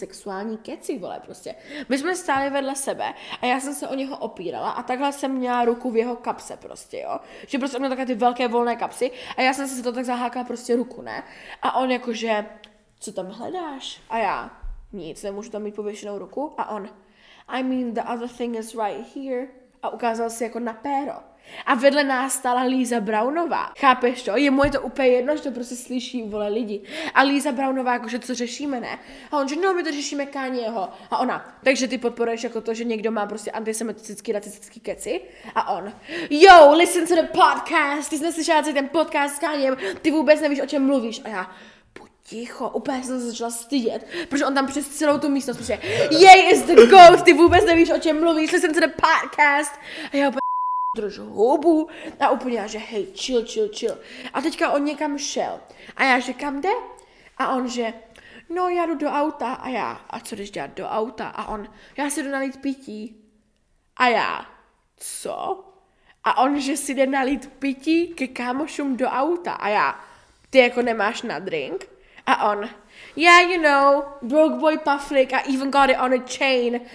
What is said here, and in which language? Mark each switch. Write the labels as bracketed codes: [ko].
[cs] sexuální keci, vole, prostě. My jsme stáli vedle sebe a já jsem se o něho opírala a takhle jsem měla ruku v jeho kapse prostě, jo. Že prostě on měl takhle ty velké volné kapsy a já jsem se to tak zahákala prostě ruku, ne. A on jakože, co tam hledáš? A já, nic, nemůžu tam mít pověšenou ruku. A on, [en] I mean the other thing is right here. [cs] A ukázal si jako na péro. A vedle nás stála Líza Brownová. Chápeš to? Jemu je to úplně jedno, že to prostě slyší, vole, lidi. A Líza Brownová jakože, co řešíme, ne? A on, že no, my to řešíme Kanyeho. A ona, takže ty podporuješ jako to, že někdo má prostě antisemitický, racistický keci? A on, [en] yo, listen to the podcast, [cs] ty jsi neslyšela celý ten podcast s Kanyem, ty vůbec nevíš, o čem mluvíš. A já, ticho, úplně jsem se začala stydět, protože on tam přes celou tu místnost, protože jej [en] is the ghost, [cs] ty vůbec nevíš, o čem mluvíš, [en] listen to the podcast. [cs] A já úplně držu hubu a úplně já, že hej, [en] chill, chill, chill. [cs] A teďka on někam šel. A já, že kam jde? A on, že no, já jdu do auta. A já, a co jdeš dělat do auta? A on, já si jdu nalít pití. A já, co? A on, že si jde nalít pití ke kámošům do auta. A já, ty jako nemáš na drink? A on, [en] yeah, you know, broke boy pufflick, I even got it on a chain.